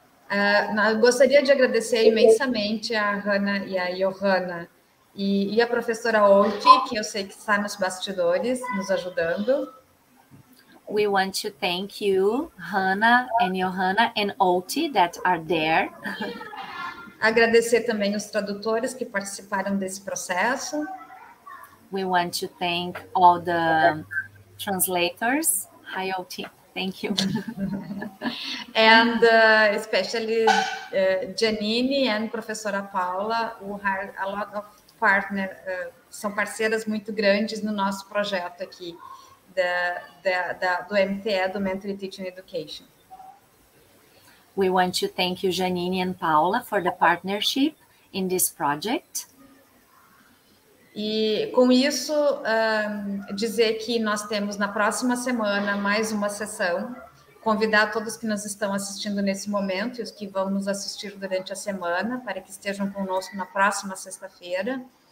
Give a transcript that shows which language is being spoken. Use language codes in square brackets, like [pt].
[pt] Eu gostaria de agradecer imensamente a Hanna e a Johanna e a professora Olti, que eu sei que está nos bastidores nos ajudando. [en] We want to thank you, Hanna and Johanna and Olti, that are there. [pt] Agradecer também os tradutores que participaram desse processo. [en] We want to thank all the translators. Hi, Olti. Thank you. And especially Janine and Professora Paula, who are a lot of partners, [pt] são parceiras muito grandes no nosso projeto aqui do MTE, [en] do Mentoring Teaching Education. We want to thank you, Janine and Paula, for the partnership in this project. [pt] E com isso, dizer que nós temos na próxima semana mais uma sessão, convidar todos que nos estão assistindo nesse momento e os que vão nos assistir durante a semana para que estejam conosco na próxima sexta-feira.